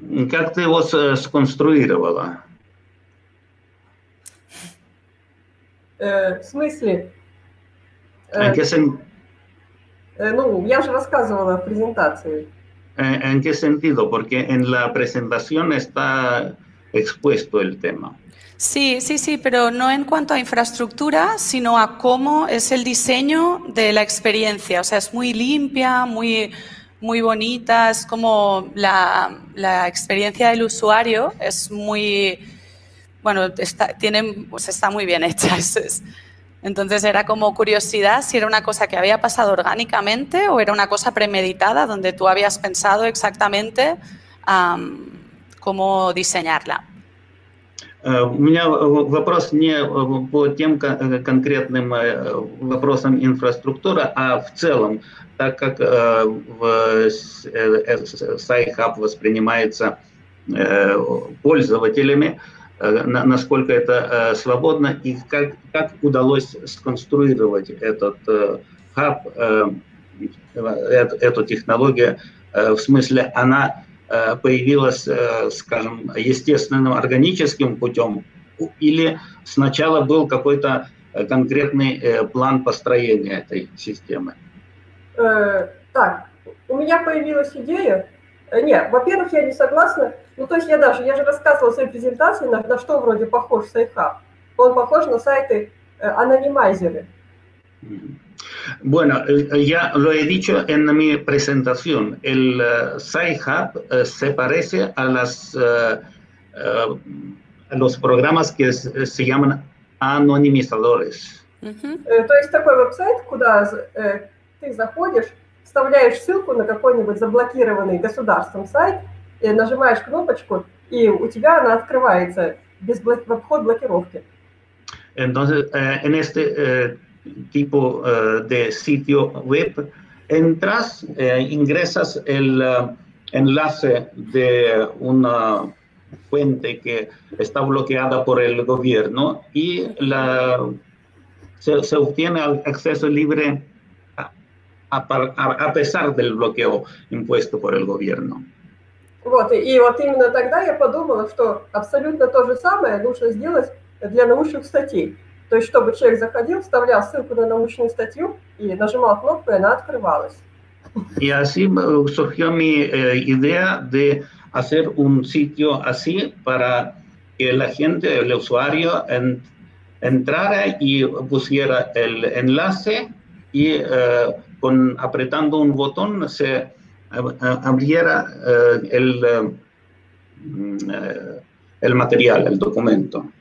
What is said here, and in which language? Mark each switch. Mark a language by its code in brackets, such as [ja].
[ru] Как ты его сконструировала? В смысле? Я же рассказывала в презентации. [es] ¿En qué sentido? Porque en la presentación está expuesto el tema. Sí, sí, sí, pero no en cuanto a infraestructura, sino a cómo es el diseño de la experiencia. O sea, es muy limpia, muy, muy bonita, es como la experiencia del usuario es muy, bueno, está muy bien hecha. Entonces era como curiosidad si era una cosa que había pasado orgánicamente o era una cosa premeditada donde tú habías pensado exactamente cómo diseñarla. [ru] У меня вопрос не по тем конкретным вопросам инфраструктуры, а в целом, так как Sci-Hub воспринимается пользователями, насколько это свободно и как удалось сконструировать этот хаб, эту технологию, в смысле она появилась, скажем, естественным, органическим путем, или сначала был какой-то конкретный план построения этой системы? Так, у меня появилась идея. Нет, во-первых, я не согласна. Ну, то есть я же рассказывала в своей презентации, на что вроде похож Sci-Hub. Он похож на сайты анонимайзеры. [es] Bueno, ya lo he dicho en mi presentación, el Sci-Hub se parece a los programas que se llaman anonimizadores. [ru] То есть такой веб-сайт, куда ты заходишь, вставляешь ссылку на какой-нибудь заблокированный государством сайт, нажимаешь кнопочку, и у тебя она открывается без в обход блокировки. [es] Entonces, en este tipo de sitio web, entras, ingresas el enlace de una fuente que está bloqueada por el gobierno y se obtiene acceso libre a pesar del bloqueo impuesto por el gobierno. [ru] Вот, и вот именно тогда я подумала, что абсолютно то же самое нужно сделать для научных статей. То есть, чтобы человек заходил, вставлял ссылку на научную статью и нажимал кнопку, и она открывалась. [es] И así surgió mi idea de hacer un sitio así para que la gente, el usuario, entrara y pusiera el enlace y apretando un botón se abriera el material, el documento.